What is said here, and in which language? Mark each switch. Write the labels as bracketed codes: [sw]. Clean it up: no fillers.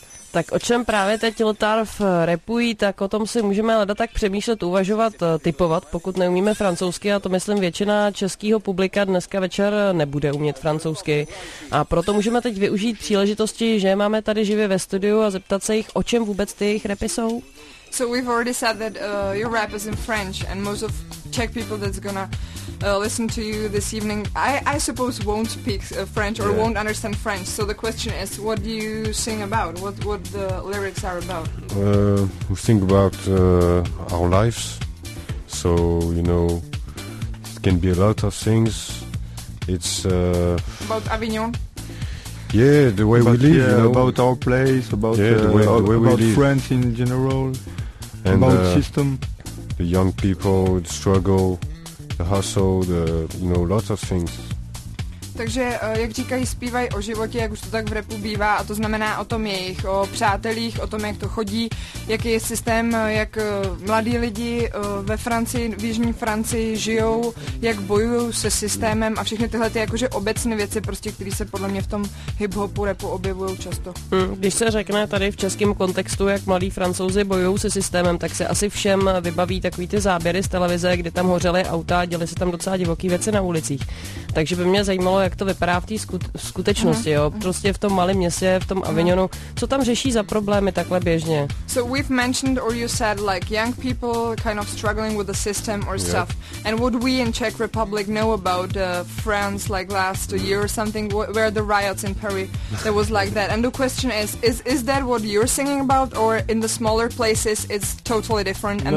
[cs] Tak o čem právě teď Lutarf rapují, tak o tom si můžeme leda tak přemýšlet, uvažovat, typovat, pokud neumíme francouzsky, a to myslím většina českého publika dneska večer nebude umět francouzsky. A proto můžeme teď využít příležitosti, že máme tady živě ve studiu, a zeptat se jich, o čem vůbec ty jejich rapy jsou. [en] So we've already said that your rap is in French and most of Czech people that's gonna listen to you this evening, I suppose won't speak French or won't understand French. So the question is, what do you sing about? What the lyrics are about? We sing about our lives. So, you know, it can be a lot of things. It's about Avignon. Yeah, the way about, we live. Yeah, you know? About our place. About the way we live. France in general. And about system. The young people, the struggle, the hustle, the, you know, lots of things. [cs] Takže, jak říkají, zpívají o životě, jak už to tak v rapu bývá, a to znamená o tom jejich, o přátelích, o tom, jak to chodí, jaký je systém, jak mladí lidi ve Francii, v jižní Francii žijou, jak bojují se systémem a všechny tyhle ty jakože obecné věci, prostě, které se podle mě v tom hip-hopu rapu objevují často. Když se řekne tady v českém kontextu, jak mladí Francouzi bojují se systémem, tak se asi všem vybaví takový ty záběry z televize, kde tam hořely auta, děly se tam docela divoký věci na ulicích. Takže by mě zajímalo, jak to vypadá v té skutečnosti, jo. Prostě v tom malém městě, v tom Avignonu. Co tam řeší za problémy takhle běžně? [en] So we've mentioned or you said like young people kind of struggling with the system or stuff. And what we in Czech Republic know about France like last year or something, where the riots in Paris that was like that. And the question is that what you're singing about, or in the smaller places it's totally different and